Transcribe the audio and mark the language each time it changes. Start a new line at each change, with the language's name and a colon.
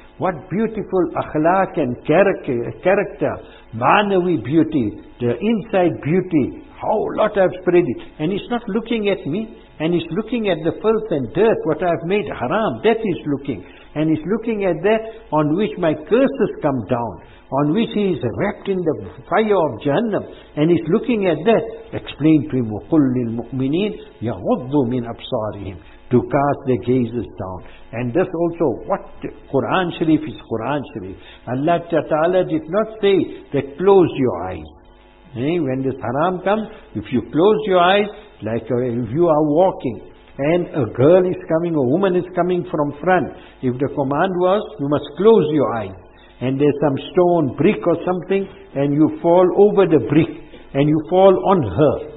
English: What beautiful akhlaq and character, manavi beauty, the inside beauty. How lot I've spread it. And he's not looking at me. And he's looking at the filth and dirt, what I've made haram. That he's looking. And he's looking at that on which my curses come down, on which he is wrapped in the fire of Jahannam. And he's looking at that. Explain to him,
Arabic: وَقُلْ لِلْمُؤْمِنِينَ يَغُضُّ مِنْ أَبْصَارِهِمْ.
English: To cast their gazes down. And this also, what Quran Sharif is Quran Sharif. Allah Ta'ala did not say that close your eyes. When this haram comes, if you close your eyes, like if you are walking, and a girl is coming, a woman is coming from front, if the command was, you must close your eyes, and there's some stone, brick or something, and you fall over the brick, and you fall on her.